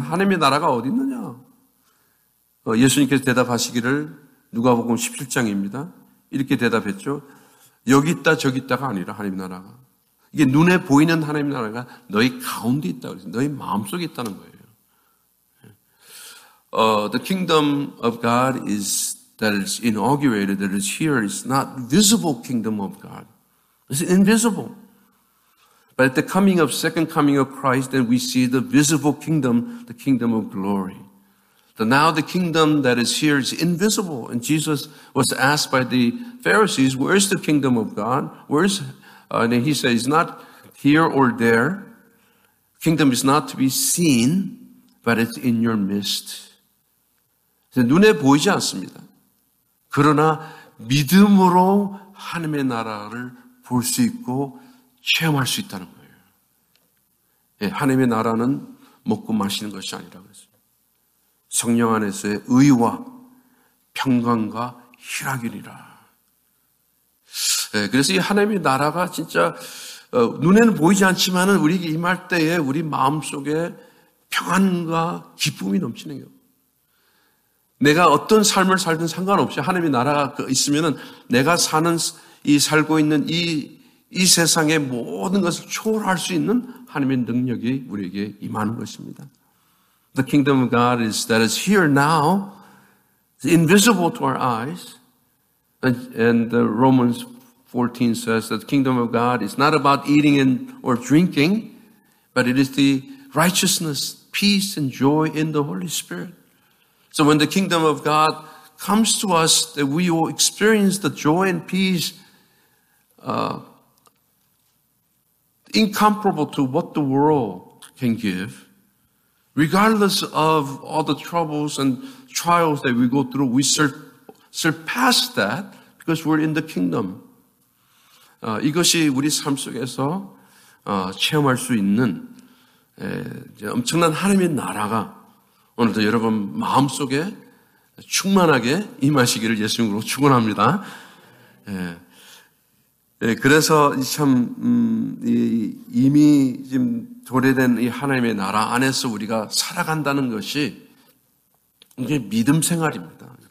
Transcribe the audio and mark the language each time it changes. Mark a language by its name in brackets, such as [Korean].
[Korean] 하나님의 나라가 어디 있느냐? 예수님께서 대답하시기를 누가복음 17장입니다. 이렇게 대답했죠. 여기 있다 저기 있다가 아니라 하나님 나라가. 이게 눈에 보이는 하나님 나라가 너희 가운데 있다. 너희 마음속에 있다는 거예요. [English] The kingdom of God is that is inaugurated, that is here. It's not visible kingdom of God. It's invisible. But at the coming of second coming of Christ, then we see the visible kingdom, the kingdom of glory. So now the kingdom that is here is invisible. And Jesus was asked by the Pharisees, where is the kingdom of God? And he said, it's not here or there. Kingdom is not to be seen, but it's in your midst. [Korean] 눈에 보이지 않습니다. 그러나 믿음으로 하나님의 나라를 볼 수 있고 체험할 수 있다는 거예요. 하나님의 나라는 먹고 마시는 것이 아니라 그랬어요. 성령 안에서의 의와 평강과 희락이니라. 그래서 이 하나님의 나라가 진짜 눈에는 보이지 않지만 우리에게 임할 때에 우리 마음속에 평안과 기쁨이 넘치는 거예요. 내가 어떤 삶을 살든 상관없이 하나님의 나라가 있으면 내가 사는 이 살고 있는 이 세상의 모든 것을 초월할 수 있는 하나님의 능력이 우리에게 임하는 것입니다. [English] The kingdom of God is that is here now, invisible to our eyes. And Romans 14 says that the kingdom of God is not about eating and or drinking, but it is the righteousness, peace, and joy in the Holy Spirit. So when the kingdom of God comes to us, that we will experience the joy and peace incomparable to what the world can give. Regardless of all the troubles and trials that we go through, we surpass that because we're in the kingdom. [Korean] 이것이 우리 삶 속에서 체험할 수 있는 엄청난 하나님의 나라가 오늘도 여러분 마음 속에 충만하게 임하시기를 예수님으로 축원합니다. 그래서 참 이미 지금 도래된 이 하나님의 나라 안에서 우리가 살아간다는 것이 이게 믿음 생활입니다.